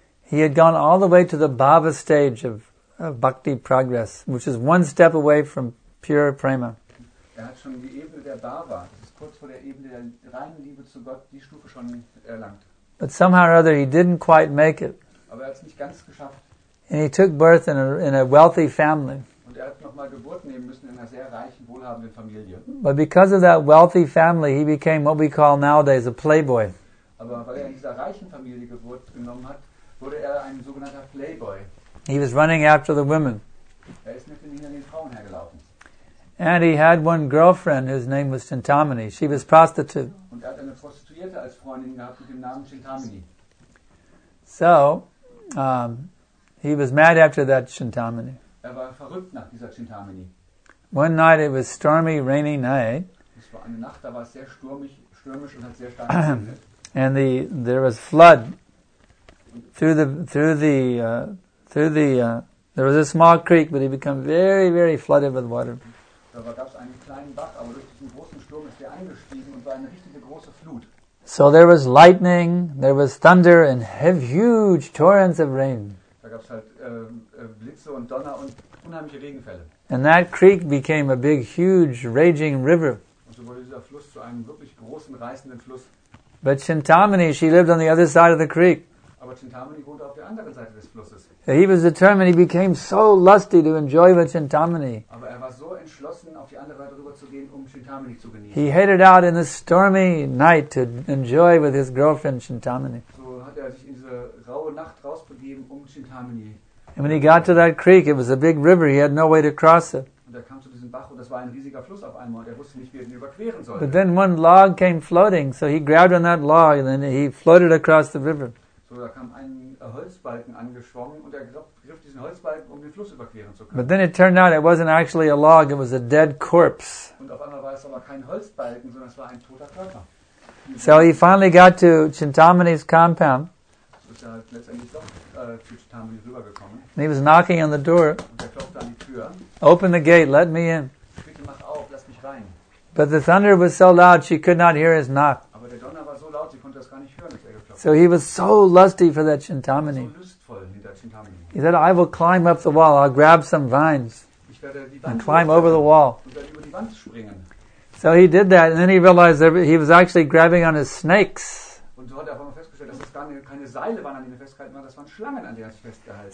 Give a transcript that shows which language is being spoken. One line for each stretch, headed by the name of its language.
English: He had gone all the way to the bhava stage of bhakti progress, which is one step away from pure prema.
German: Er hat schon die Ebene der Bhava, das ist kurz vor der Ebene der reinen Liebe zu Gott, die Stufe schon erlangt.
English: But somehow or other he didn't quite make it.
German: Aber er hat es nicht ganz geschafft.
English: And he took birth in a wealthy family.
German: Und er hat nochmal Geburt nehmen müssen in einer sehr reichen, wohlhabenden Familie.
English: But because of that wealthy family, he became what we call nowadays a playboy.
German: Aber weil er in dieser reichen Familie Geburt genommen hat, wurde er ein sogenannter Playboy.
English: He was running after the women.
German: Er ist mit den hinterlegten Frauen hergelaufen.
English: And he had one girlfriend whose name was Chintamani. She was prostitute.
German: Und er hat eine Prostituierte als Freundin gehabt mit dem Namen Chintamani.
English: So, he was mad after that Chintamani.
German: Er war verrückt nach dieser Chintamani.
English: One night, it was stormy, rainy night.
German: Es war eine Nacht, da war es sehr stürmisch, stürmisch und hat sehr stark
English: And there was flood there was a small creek, but he became very, very flooded with water.
German: Da gab es einen kleinen Bach, aber durch diesen großen Sturm ist er eingestiegen und war eine richtige große Flut.
English: So there was lightning, there was thunder and huge torrents of rain.
German: Da gab es halt Blitze und Donner und unheimliche Regenfälle.
English: And that creek became a big, huge, raging river.
German: Und so wurde dieser Fluss zu einem wirklich großen, reißenden Fluss.
English: But Chintamani, she lived on the other side of the creek.
German: Aber Chintamani wohnte auf der anderen Seite des Flusses.
English: He was determined, he became so lusty to enjoy with Chintamani.
German: Aber er war so entschlossen, auf die andere Seite rüber zu gehen, um Chintamani zu genießen.
English: He headed out in the stormy night to enjoy with his girlfriend Chintamani.
German: So hat er sich in diese raue Nacht rausbegeben, um Chintamani.
English: And when he got to that creek, it was a big river, he had no way to cross it.
German: Und er kam zu diesem Bach und das war ein riesiger Fluss auf einmal und er wusste nicht, wie er ihn überqueren sollte.
English: But then one log came floating, so he grabbed on that log and then he floated across the river.
German: So da kam ein Holzbalken angeschwommen und er griff diesen Holzbalken, um den Fluss überqueren zu können.
English: But then it turned out it wasn't actually a log, it was a dead corpse.
German: Und auf einmal war es aber kein Holzbalken, sondern es war ein toter Körper.
English: So he finally got to Chintamani's compound.
German: Und da ist letztendlich doch zu Chintamani rübergekommen.
English: And he was knocking on the door.
German: Und er klopfte an die Tür.
English: Open the gate, let me in.
German: Bitte mach auf, lass mich rein.
English: But the thunder was so loud, she could not hear his knock.
German: Aber der Donner war so laut, sie konnte das gar nicht hören, dass er geklopft hat.
English: So he was so lusty for that Chintamani.
German: So lustvoll hinter Chintamani.
English: He said, I will climb up the wall, I'll grab some vines.
German: Ich werde die Wand
English: and climb over the wall.
German: Und dann über die Wand springen.
English: So he did that, and then he realized that he was actually grabbing on his snakes.
German: Und so hat er aber festgestellt, dass es gar keine Seile waren, an denen er festgehalten war, das waren Schlangen, an denen er sich festgehalten hat.